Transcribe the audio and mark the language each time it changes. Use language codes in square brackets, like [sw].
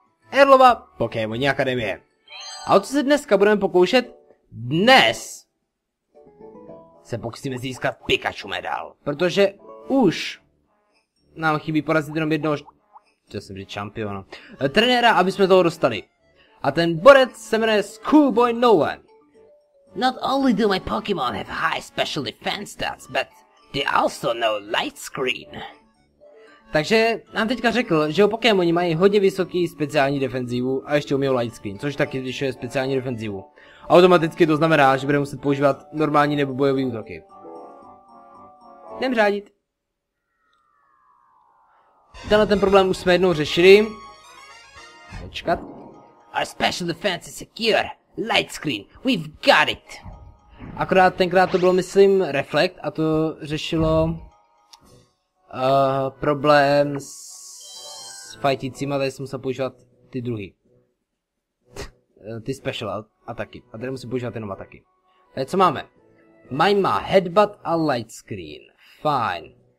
[cs] Erlova Pokémoní akademie. A o co se dneska budeme pokoušet? Dnes se pokusíme získat Pikachu medal. Protože už nám chybí porazit jenom jednoho šampiona. Trenéra, aby jsme toho dostali. A ten borec se jmenuje Schoolboy No One. [en] Not only do my Pokémon have high special defense stats, but they also know light screen. [cs] Takže nám teďka řekl, že o Pokémoni mají hodně vysoký speciální defenzivu a ještě umí light screen, což taky zvyšuje speciální defenzivu. Automaticky to znamená, že bude muset používat normální nebo bojový útoky. Jdem řádit. Tenhle ten problém už jsme jednou řešili. Počkat. [en] Our special defense is secure. Light screen, we've got it! [cs] Akorát tenkrát to bylo, myslím, Reflect a to řešilo problém s fightícíma, tady jsem musel používat ty druhý. Ty special ataky. A tady musím používat jenom ataky. Tady co máme? Mime má Headbutt a Light Screen, fajn.